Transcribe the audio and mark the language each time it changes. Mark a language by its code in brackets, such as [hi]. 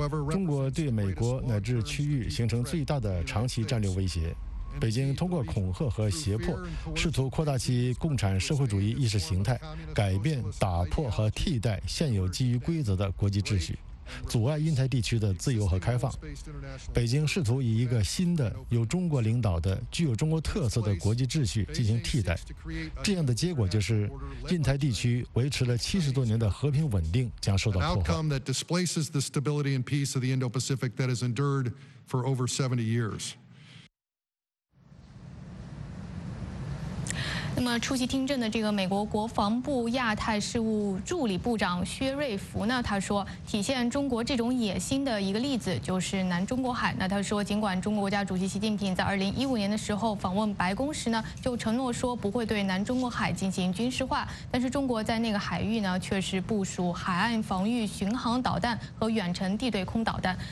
[zh] 中国对美国乃至区域形成最大的长期战略威胁，北京通过恐吓和胁迫试图扩大其共产社会主义意识形态，改变、打破和替代现有基于规则的国际秩序，阻碍印太地区的自由和开放。北京试图以一个新的由中国领导的具有中国特色的国际秩序进行替代，这样的结果就是印太地区维持了70多年的和平稳定将受到破坏。 [en] outcome that displaces the stability and peace of the Indo-Pacific that has endured for over 70 years。 [zh] 那么出席听证的这个美国国防部亚太事务助理部长薛瑞福呢，他说体现中国这种野心的一个例子就是南中国海。那他说，尽管中国国家主席习近平在2015年的时候访问白宫时呢，就承诺说不会对南中国海进行军事化，但是中国在那个海域呢，确实部署海岸防御巡航导弹和远程地对空导弹。